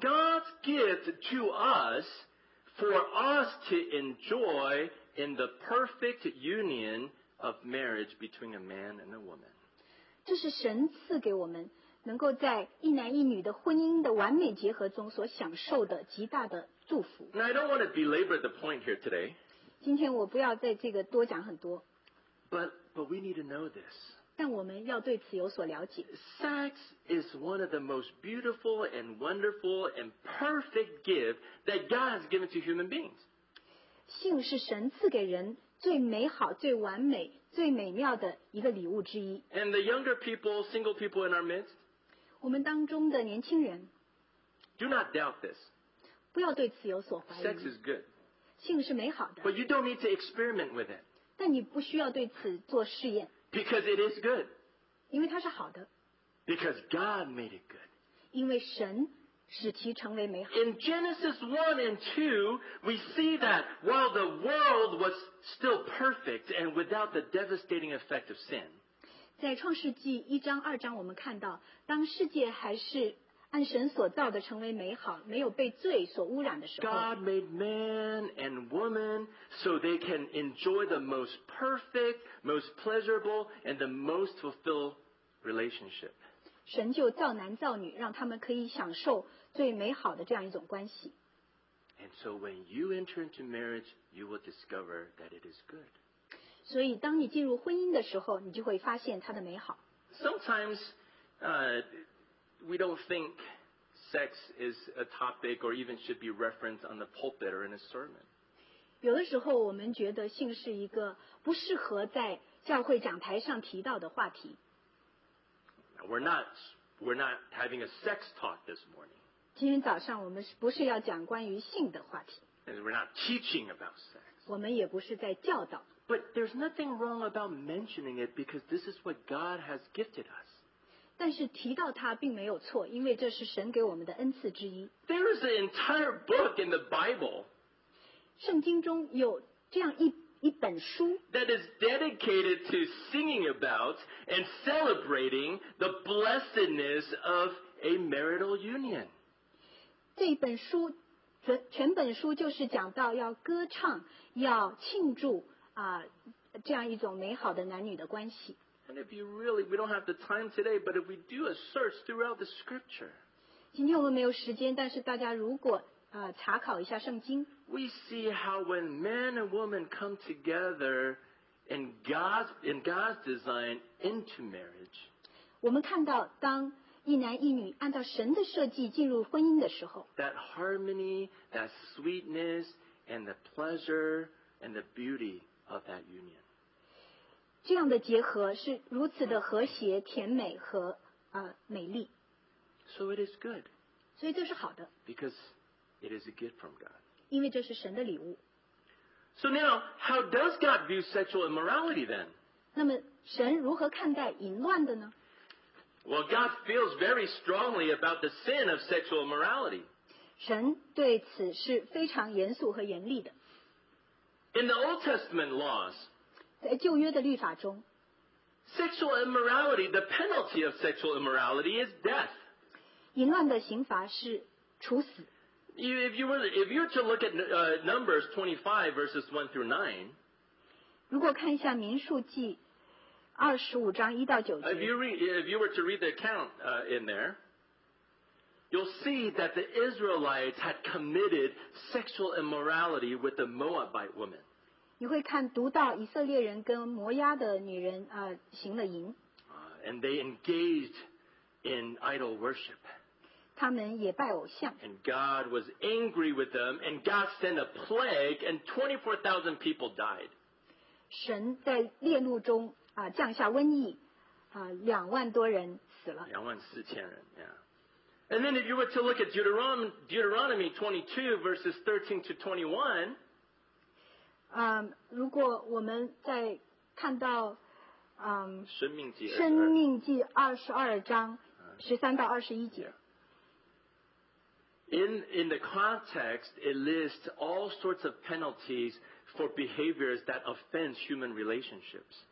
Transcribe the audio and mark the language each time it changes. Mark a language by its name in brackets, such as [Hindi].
[English] It is God's gift to us for us to enjoy in the perfect union of marriage between a man and a woman. [Chinese] 这是神赐给我们能够在一男一女的婚姻的完美结合中所享受的极大的祝福。 [English] Now, I don't want to belabor the point here today. [Chinese] 今天我不要在这个多讲很多。 [English] But we need to know this. [Chinese] 但我们要对此有所了解。 [English] Sex is one of the most beautiful and wonderful and perfect gift that God has given to human beings. [Chinese] 性是神赐给人最美好、最完美、最美妙的一个礼物之一。 [English] And the younger people, single people in our midst, [Chinese] 我们当中的年轻人 [English] do not doubt this. [Chinese] 不要对此有所怀疑。 [English] Sex is good. [Chinese] 性是美好的。 [English] But you don't need to experiment with it. [Chinese] 但你不需要对此做试验。 [English] Because it is good. [Chinese] 因为它是好的。 [English] Because God made it good. [Chinese] 因为神使其成为美好。 [English] In Genesis 1 and 2, we see that while the world was still perfect and without the devastating effect of sin, [Chinese] 在创世纪一章二章我们看到，当世界还是按神所造的成为美好，没有被罪所污染的时候， [English] God made man and woman so they can enjoy the most perfect, most pleasurable, and the most fulfilled relationship. [Chinese] 神就造男造女，让他们可以享受最美好的这样一种关系。 [English] And so when you enter into marriage, you will discover that it is good. [Chinese] 所以当你进入婚姻的时候，你就会发现它的美好。 [English] Sometimes, we don't think sex is a topic or even should be referenced on the pulpit or in a sermon. [Chinese] 有的时候我们觉得性是一个不适合在教会讲台上提到的话题。 [English] We're not having a sex talk this morning. [Chinese] 今天早上我们不是要讲关于性的话题。 [English] And we're not teaching about sex. [Chinese] 我们也不是在教导。 [English] But there's nothing wrong about mentioning it because this is what God has gifted us. [Chinese] 但是提到它并没有错，因为这是神给我们的恩赐之一。 [English] There is an entire book in the Bible. [Chinese] 圣经中有这样一本书 [English] that is dedicated to singing about and celebrating the blessedness of a marital union. [Chinese] 这本书全本书就是讲到要歌唱，要庆祝这样一种美好的男女的关系。 [English] And if you really, we don't have the time today, but if we do a search throughout the scripture, [Chinese] 今天我们没有时间，但是大家如果查考一下圣经。 [English] We see how when man and woman come together in God's design into marriage. [Chinese] 我们看到当一男一女按照神的设计进入婚姻的时候， [English] that harmony, that sweetness, and the pleasure and the beauty of that union. [Chinese] 这样的结合是如此的和谐、甜美和美丽。 [English] So it is good. [Chinese] 所以这是好的。 [English] Because it is a gift from God. [Chinese] 因为这是神的礼物。 [English] So now, how does God view sexual immorality then? [Chinese] 那么神如何看待淫乱的呢？ [English] Well, God feels very strongly about the sin of sexual immorality. [Chinese] 神对此是非常严肃和严厉的。 [English] In the Old Testament laws, [Chinese] 在旧约的律法中， [English] sexual immorality, the penalty of sexual immorality is death. [Chinese] 淫乱的刑罚是处死。 [English] If you were to look at Numbers 25 verses 1 through 9, [Chinese] 如果看一下民数记二十五章一到九节， [English] if you were to read the account in there, you'll see that the Israelites had committed sexual immorality with the Moabite woman. [Chinese] 你会看读到以色列人跟摩押的女人行了淫。 [English] And they engaged in idol worship. [Chinese] 他们也拜偶像。 [English] And God was angry with them, and God sent a plague, and 24,000 people died. [Chinese] 神在烈怒中降下瘟疫，两万多人死了。两万四千人， yeah. [English] And then if you were to look at Deuteronomy 22 verses 13 to 21, [Chinese] 如果我们在看到生命记二十二章十三到二十一节。 [English] In the context, it lists all sorts of penalties for behaviors that offend human relationships.